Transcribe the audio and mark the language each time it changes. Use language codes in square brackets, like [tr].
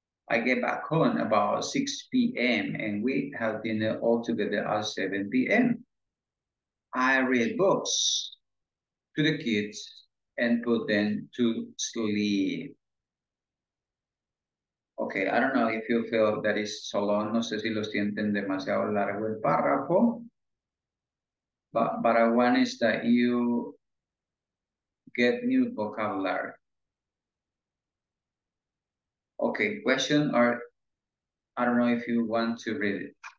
[en] I get back home about 6 p.m. and we have dinner all together at 7 p.m. I read books to the kids and put them to sleep. Okay, I don't know if you feel that is so long. [es] No sé si lo sienten demasiado largo el párrafo. [en] But I want is that you get new vocabulary. Okay, question or I don't know if you want to read it.